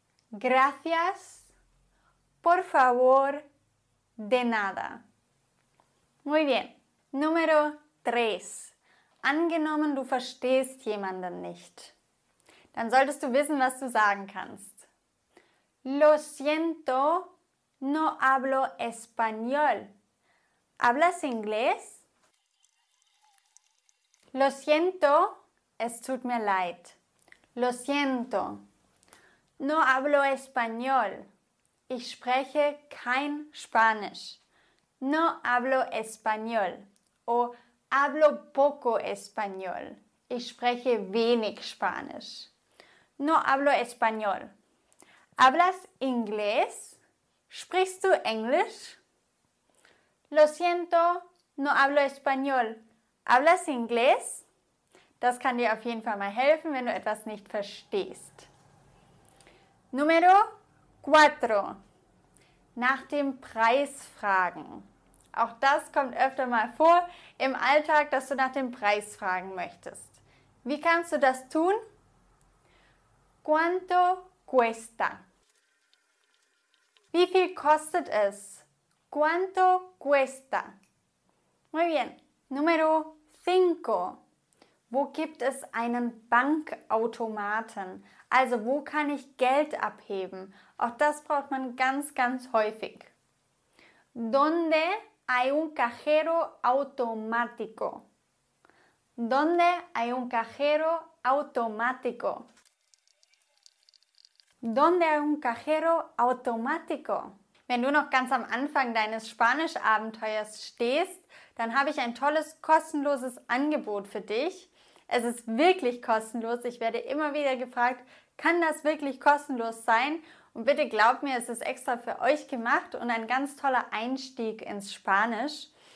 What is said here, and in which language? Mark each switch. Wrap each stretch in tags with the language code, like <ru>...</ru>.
<es>Gracias. Por favor, de nada. Muy bien. Número 3.</es> <de>Angenommen, du verstehst jemanden nicht. Dann solltest du wissen, was du sagen kannst.</de> <es>Lo siento, no hablo español. ¿Hablas inglés? Lo siento,</es> <de>es tut mir leid.</de> <es>Lo siento, no hablo español.</es> <de>Ich spreche kein Spanisch.</de> <es>No hablo español. O hablo poco español.</es> <de>Ich spreche wenig Spanisch.</de> <es>No hablo español. ¿Hablas inglés?</es> <de>Sprichst du Englisch?</de> <es>Lo siento, no hablo español. ¿Hablas inglés?</es> <de>Das kann dir auf jeden Fall mal helfen, wenn du etwas nicht verstehst.</de> <es>Número 4.</es> <de>Nach dem Preis fragen. Auch das kommt öfter mal vor im Alltag, dass du nach dem Preis fragen möchtest. Wie kannst du das tun?</de> <es>¿Cuánto cuesta?</es> <de>Wie viel kostet es?</de> <es>¿Cuánto cuesta? Muy bien. Número 5.</es> <de>Wo gibt es einen Bankautomaten? Also wo kann ich Geld abheben? Auch das braucht man ganz, ganz häufig.</de> <es>¿Dónde hay un cajero automático? ¿Dónde hay un cajero automático? ¿Dónde hay un cajero automático?</es> <de>Wenn du noch ganz am Anfang deines Spanischabenteuers stehst, dann habe ich ein tolles, kostenloses Angebot für dich. Es ist wirklich kostenlos. Ich werde immer wieder gefragt, kann das wirklich kostenlos sein? Und bitte glaubt mir, es ist extra für euch gemacht und ein ganz toller Einstieg ins Spanisch.</de>